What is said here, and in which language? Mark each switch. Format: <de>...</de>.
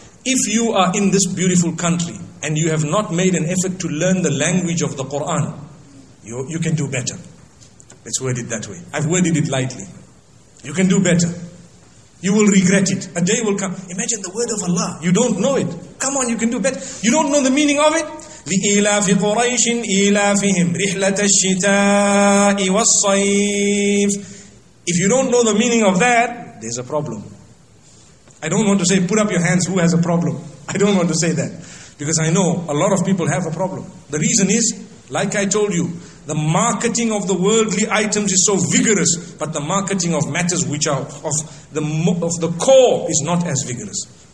<en>If you are in this beautiful country, and you have not made an effort to learn the language of the Quran, you can do better. Let's word it that way. I've worded it lightly. You can do better. You will regret it. A day will come. Imagine the word of Allah. You don't know it. Come on, you can do better. You don't know the meaning of it.</en> <ar>لإلاف قريش إلافهم رحلة الشتاء والصيف.</ar> <en>If you don't know the meaning of that, there's a problem. I don't want to say, put up your hands, who has a problem? I don't want to say that. Because I know a lot of people have a problem. The reason is, like I told you, the marketing of the worldly items is so vigorous, but the marketing of matters which are of the core is not as vigorous.</en>